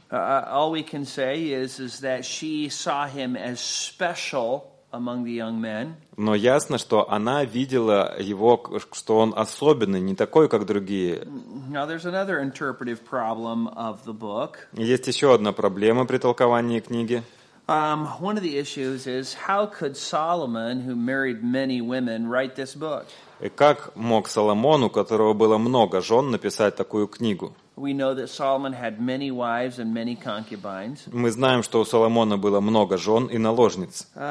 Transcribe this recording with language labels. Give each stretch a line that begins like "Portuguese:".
English: All we can say is that she saw him as special among the young men.
Russian: Но ясно, что она видела его, что он особенный, не такой, как другие.
English: Now, there's another interpretive problem of the book.
Russian: Есть еще одна проблема при толковании книги.
English: One of the issues is, how could Solomon, who married many women, write this book?
Russian: И как мог Соломон, у которого было много жен, написать такую книгу?
English: We know that Solomon had many wives and many concubines.
Russian: Мы знаем, что у Соломона было много жен и наложниц.